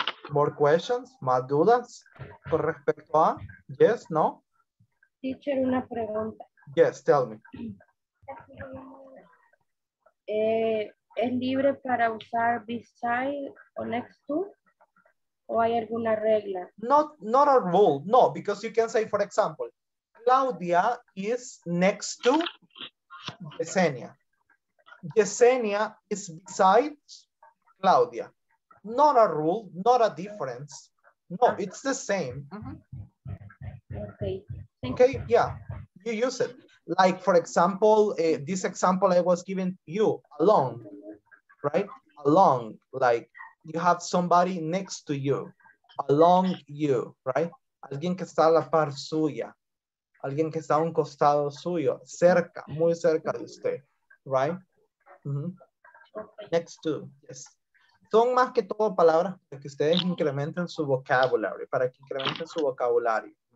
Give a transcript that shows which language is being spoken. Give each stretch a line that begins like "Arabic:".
English: More questions,
Spanish: más dudas con respecto a, yes, no? Teacher, una pregunta.
English: Yes, tell me.
Spanish: ¿Es libre para usar beside o next to? ¿O hay alguna regla?
English: Not a rule, no, because you can say, for example, Claudia is next to Yesenia. Yesenia is beside Claudia. Not a rule, not a difference. No, it's the same. Mm-hmm. Okay, yeah, you use it. Like, for example, this example I was giving to you, along, right? Along, like you have somebody next to you, along you, right?
Spanish: Alguien que está a la par suya, alguien que está a un costado suyo, cerca, muy cerca de usted, right?
English: Next to, yes.
Spanish: Son más que todo palabras para que ustedes incrementen su vocabulary, para que incrementen su vocabulario.